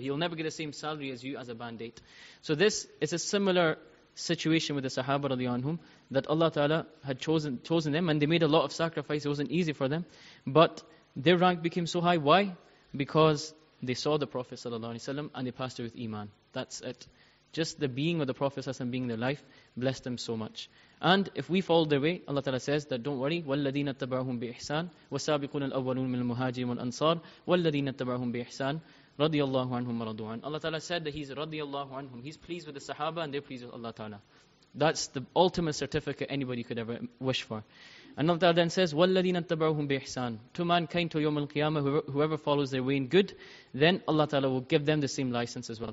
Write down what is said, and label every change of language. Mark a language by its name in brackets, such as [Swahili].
[English] He'll never get the same salary as you as a band eight. So this is a similar situation with the Sahaba radiallahu anhum, that Allah Ta'ala had chosen them, and they made a lot of sacrifice. It wasn't easy for them, but their rank became so high. Why? Because they saw the Prophet sallallahu alayhi wa sallam and they passed it with iman. That's it. Just the being of the Prophet sallallahu alayhi wa sallam being their life blessed them so much. And if we follow their way, Allah Ta'ala says that, don't worry, [Arabic] وَالَّذِينَ اتَّبَعُهُمْ بِإِحْسَانِ وَالسَّابِقُونَ الْأَوَّلُونَ مِنَ الْمُهَاجِرِينَ وَالْأَنصَارِ وَالَّذِينَ اتَّبَعُهُمْ بِإِحْسَانِ رَضِيَ اللَّهُ عَنْهُمْ وَرَضُوا عَنْهُ. [English] Allah Ta'ala said that he's radiallahu anhum. He's pleased with the Sahaba and they're pleased with Allah Ta'ala. That's the ultimate certificate anybody could ever wish for. And Allah Ta'ala then says, [Arabic] وَالَّذِينَ اتَّبَعُهُمْ بِإِحْسَانِ [English] to mankind, to يوم القيامة, whoever follows their way in good, then Allah Ta'ala will give them the same license as well.